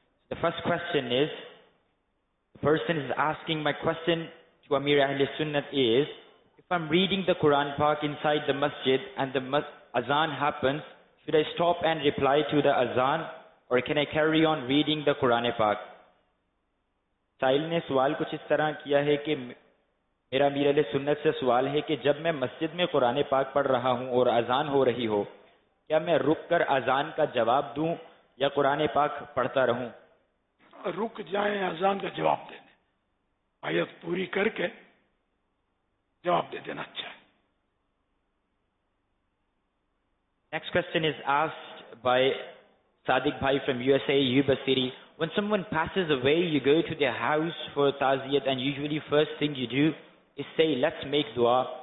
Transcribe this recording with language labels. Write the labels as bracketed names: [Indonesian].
[English] The first question is, the person is asking, my question to Amir Ahl Sunnat is, if I'm reading the Quran Pak inside the masjid and the azan happens, should I stop and reply to the azan or can I carry on reading the Quran Pak? [Urdu] Sahil ne sawal kuch is tarah kiya hai ki میرا امیر علیہ سنت سے سوال ہے کہ جب میں مسجد میں قرآن پاک پڑھ رہا ہوں اور اذان ہو رہی ہو, کیا میں رک کر اذان کا جواب دوں یا قرآن پاک پڑھتا رہوں؟ رک جائیں اذان کا جواب دینے, آیت پوری کر کے جواب دے دینا اچھا ہے. [English] Next question is asked by Sadiq bhai from USA, Yuba City. When someone passes away, you go to their house for taziyat and usually first thing you do is say, let's make dua.